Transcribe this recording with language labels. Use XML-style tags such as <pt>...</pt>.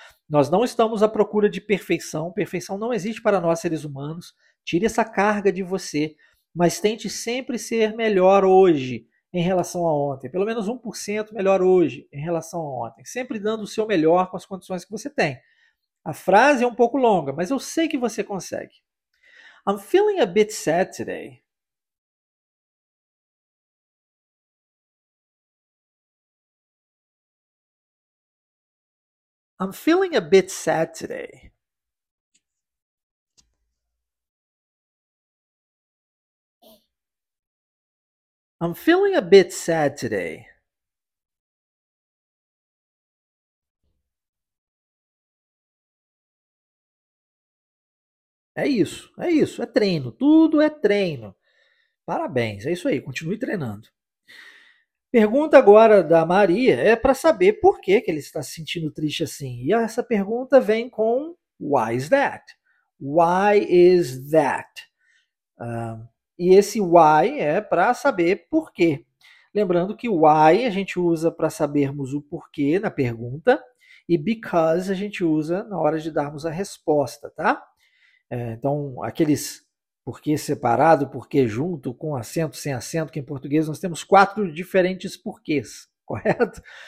<pt>Nós não estamos à procura de perfeição, perfeição não existe para nós seres humanos. Tire essa carga de você. Mas tente sempre ser melhor hoje em relação a ontem. Pelo menos 1% melhor hoje em relação a ontem. Sempre dando o seu melhor com as condições que você tem. A frase é um pouco longa, mas eu sei que você consegue.</pt> <en>I'm feeling a bit sad today. I'm feeling a bit sad today. I'm feeling a bit sad today.</en> <pt>É isso. É treino. Tudo é treino. Parabéns. É isso aí. Continue treinando. Pergunta agora da Maria é para saber por que que ele está se sentindo triste assim. E essa pergunta vem com</pt> <en>why is that? Why is that?</en> <pt>E esse why é para saber por quê. Lembrando que why a gente usa para sabermos o porquê na pergunta e because a gente usa na hora de darmos a resposta, tá? Então, aqueles porquê separado, porquê junto, com acento, sem acento, que em português nós temos quatro diferentes porquês, correto?</pt>